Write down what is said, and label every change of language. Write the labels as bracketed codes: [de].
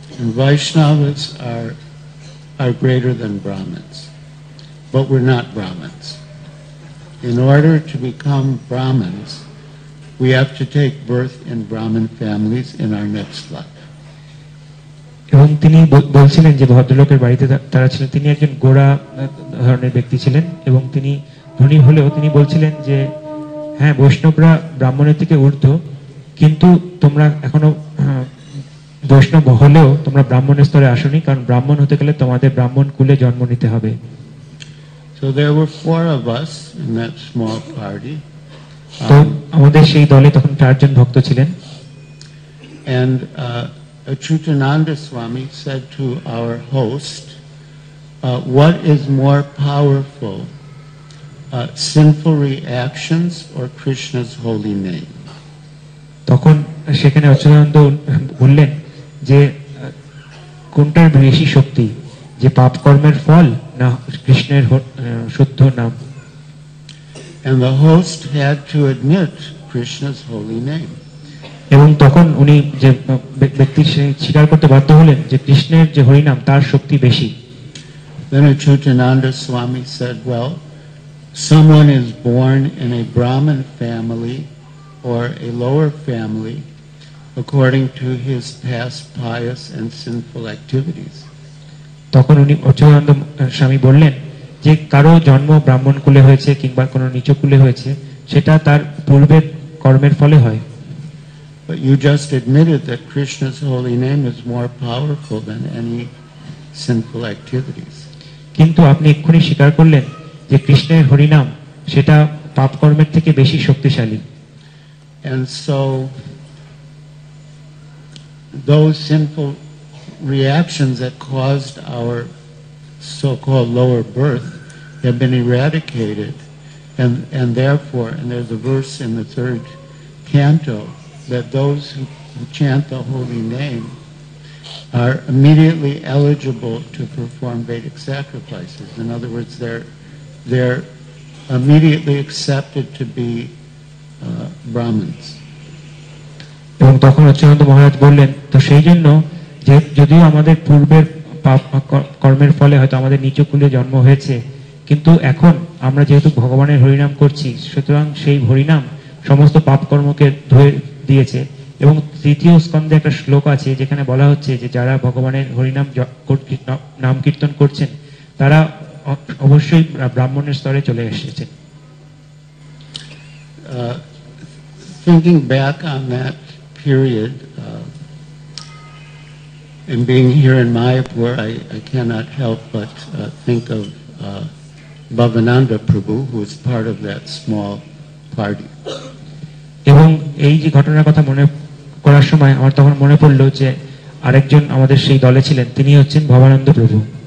[en] Vaishnavas are greater than Brahmins, but we're not Brahmins. In order to become Brahmins, we have to take birth in Brahmin families in our next life. [bn] এবং তিনি বলছিলেন যে ভদ্রলোকের বাড়িতে তারা ছিলেন, তিনি একজন গোড়া ধরনের ব্যক্তি ছিলেন এবং তিনি ধনী হলেও তিনি বলছিলেন যে হ্যাঁ বৈষ্ণবরা ব্রাহ্মণের থেকে ঊর্ধ্ব, কিন্তু তোমরা এখনো বৈষ্ণব হলেও তোমরা ব্রাহ্মণের স্তরে আসনি, কারণ ব্রাহ্মণ হতে গেলে তোমাদের ব্রাহ্মণ কুলে জন্ম নিতে হবে। [en] So there were four of us in that small party. [bn] তো আমাদের সেই দলে তখন চারজন ভক্ত ছিলেন। [en] And Achyutananda Swami said to our host, what is more powerful, sinful reactions or Krishna's holy name? [bn] তখন সেখানে অচ্যুতানন্দ বললেন যে কোনটার বেশি শক্তি, যে পাপ কর্মের ফল না কৃষ্ণের শুদ্ধ নাম? [en] And the host had to admit Krishna's holy name. [bn] এবং তখন উনি যে ব্যক্তি সে স্বীকার করতে বাধ্য হলেন যে কৃষ্ণের যে হরি নাম তার শক্তি বেশি। [en] Then Achyutananda Swami said, well, someone is born in a Brahmin family or a lower family according to his past pious and sinful activities. [bn] তখন উনি অচ্যুতানন্দ স্বামী বললেন যে কারো জন্ম ব্রাহ্মণ কুলে হয়েছে কিংবা কোনো নীচ কুলে হয়েছে সেটা তার পূর্বের কর্মের ফলে হয়। [en] But you just admitted that Krishna's holy name is more powerful than any sinful activities. [bn] কিন্তু আপনি এক্ষুনি স্বীকার করলেন যে কৃষ্ণের হরি নাম সেটা পাপ কর্মের থেকে বেশি শক্তিশালী। [en] And so those sinful reactions that caused our so-called lower birth have been eradicated, and therefore, and there's a verse in the third canto that those who chant the holy name are immediately eligible to perform Vedic sacrifices. In other words, they're immediately accepted to be Brahmins. [bn] এবং তখন অচ্যুতানন্দ মহারাজ বললেন তো সেই জন্য যে যদিও আমাদের পূর্বের পাপ কর্মের ফলে হয়তো আমাদের নিচ কুলে জন্ম হয়েছে, কিন্তু এখন আমরা যেহেতু ভগবানের হরিনাম করছি সুতরাং সেই হরিনাম সমস্ত পাপ কর্মকে ধুয়ে দিয়েছে। এবং তৃতীয় স্কন্ধে একটা শ্লোক আছে যেখানে বলা হচ্ছে যে যারা ভগবানের হরিনাম নাম কীর্তন করছেন তারা অবশ্যই ব্রাহ্মণের স্তরে চলে এসেছেন। [en] Thinking back on that period, and being here in Mayapur, I cannot help but think of Bhavananda Prabhu, who was part of that small party. [bn] এবং এই যে ঘটনার কথা মনে করার সময় আমার তখন মনে পড়লো যে আরেকজন আমাদের সেই দলে ছিলেন, তিনি হচ্ছেন ভবানন্দ প্রভু।